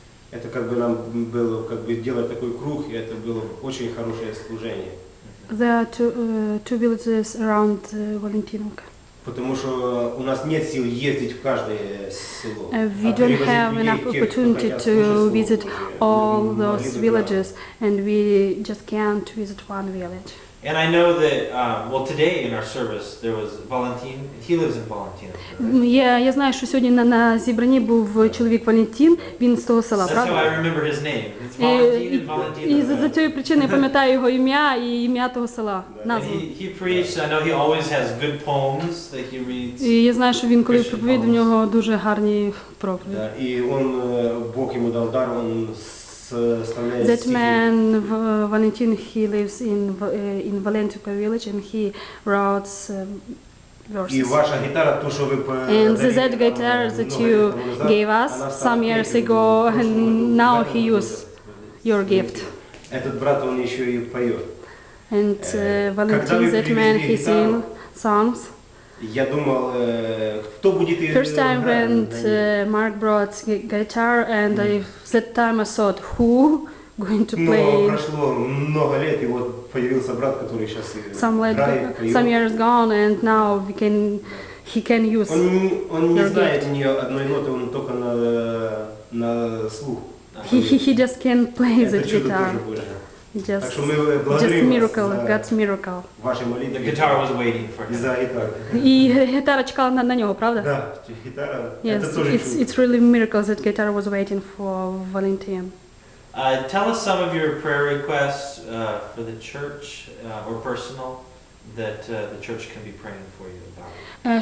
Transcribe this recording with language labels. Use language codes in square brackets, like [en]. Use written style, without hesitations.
[ru] Это как бы нам было как бы делать такой круг, и это было очень хорошее служение. [en] There are two villages around Valentinovka. [ru] Потому что у нас нет сил ездить в каждое село. [en] We don't have enough opportunity to visit all those villages, and we just can't visit one village. And I know that well today in our service there was Valentin. He lives in Valentinovka. [uk] Я знаю, що сьогодні на зібранні був чоловік Валентин, він з того села, правда? [en] That's how I remember his name. It's Valentin and [uk] Valentinovka. І за цією причиною я пам'ятаю його ім'я і ім'я того села, назву. [en] He preached. I know he always has good poems that he reads. [uk] І я знаю, що він коли проповідь, в нього дуже гарні проповіді. Так, і він Бог йому дав дар, він [en] That man, Valentin, he lives in Valentinovka village and he wrote verses. [uk] І ваша гітара, то що ви [en] And the Z guitar that you gave us some years ago and now he uses your gift. [ru] Этот брат, [uk] він ще й поє. [en] And Valentin, that man, he sings songs. [uk] Я думав, хто буде ти? [en] First time when Mark brought guitar and I that time I thought who going to play. [ru] Ну, прошло много лет, [uk] і от [ru] появился брат, который сейчас играет. [en] Some years gone and now he can use. [ru] Он не знает [uk] ні одної ноти, він тільки на слух. [en] He just can't play the guitar. Just, [uk] так що ми благодаримо [en] miracle, God's miracle. [uk] Ваші молитви. [en] The guitar was waiting for him. [uk] За гітару. І гітара чекала на нього, правда? Так, гітара. [en] Yes, it's really a miracle that guitar was waiting for Valentin. Tell us some of your prayer requests for the church or personal that the church can be praying for you about.